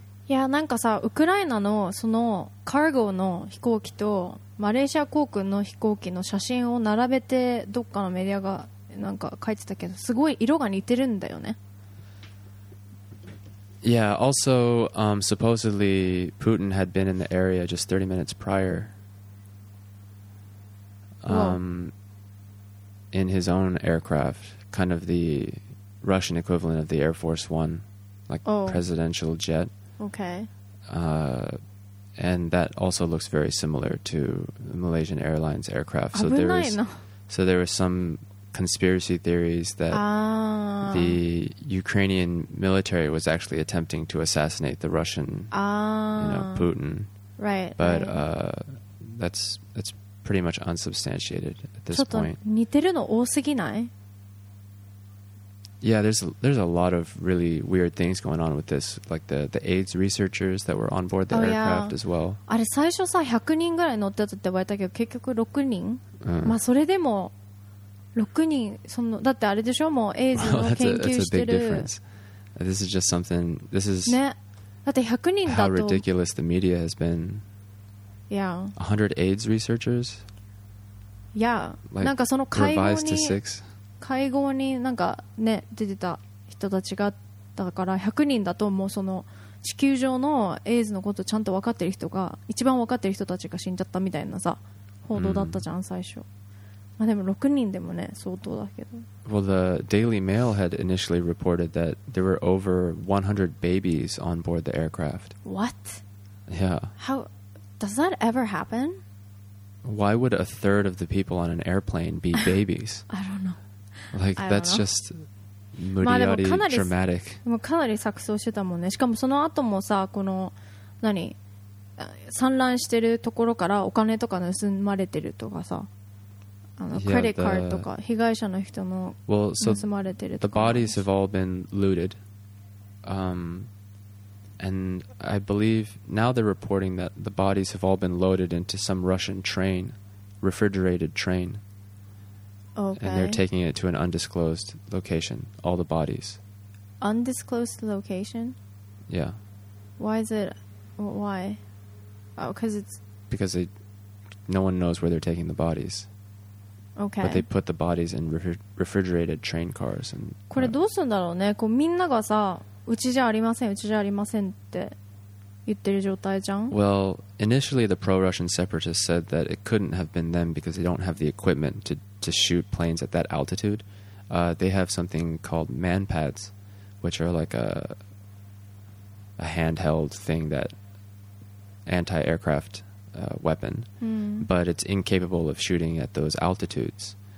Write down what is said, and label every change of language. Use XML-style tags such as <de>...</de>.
<ja>yeah, なんかさ、ウクライナのそのカーゴの飛行機とマレーシア航空の飛行機の写真を並べてどっかのメディアがなんか書いてたけど、すごい色が似てるんだよね。</ja> <en>Yeah, also, supposedly Putin had been in the area just 30 minutes prior. In his own aircraft, kind of the Russian equivalent of the Air Force One, like、oh. presidential jet. Okay. And that also looks very similar to Malaysian Airlines aircraft. So there was, some conspiracy theories that、the Ukrainian military was actually attempting to assassinate the Russian, Putin. Right. But right. That's pretty much unsubstantiated at this point.</en> <ja>ちょっと似てるの多すぎない?</ja> <en>Yeah, there's a lot of really weird things going on with this, like the AIDS researchers that were on board the aircraft as well.</en> <ja>あれ最初さ100人ぐらい乗ってたって言われたけど結局6人? まあそれでも6人そのだってあれでしょもう AIDS の研究してる。</ja> <en>That's a big difference. This is just something. This is</en> <ja>ね。だって100人だと。</ja> <en>How ridiculous the media has been. Yeah. 100 AIDS researchers? Yeah. Like,</en> <ja>なんかその会合に、</ja> <en>revised to six?</en> <ja>会合になんかね、出てた人たちが、だから100人だともうその地球上の AIDS のことちゃんと分かってる人が、一番分かってる人たちが死んじゃったみたいなさ、報道だったじゃん、最初。まあでも6人でもね、相当だけど。</ja> <en>Well, the Daily Mail had initially reported that there were over 100 babies on board the aircraft. What? Yeah. How... Does that ever happen? Why would a third of the people on an airplane be babies? I don't know. Like, that's just Muriati dramatic.</en> <ja>でもかなり錯綜してたもんね。しかもその後もさ、この何、散乱してるところからお金とか盗まれてるとかさ、あの、クレディットカードとか被害者の人の盗まれてるとか。</ja> <en>The bodies have all been looted. And I believe now they're reporting that the bodies have all been loaded into some Russian train, refrigerated train. Okay. And they're taking it to an undisclosed location, all the bodies. Undisclosed location? Yeah. Why is it... Why? Oh, because it's... Because they, no one knows where they're taking the bodies. Okay. But they put the bodies in refrigerated train cars. And,</en> <ja>これどうするんだろうね?こうみんながさ...うちじゃありません、うちじゃありませんって言ってる状態じゃん。</ja> <en>Well, initially the pro-Russian separatists said that it couldn't have been them because they don't have the equipment to to shoot planes at that altitude, they have something called man pads, which are like a handheld thing that anti-aircraft weapon, but it's incapable of shooting at those altitudes.</en>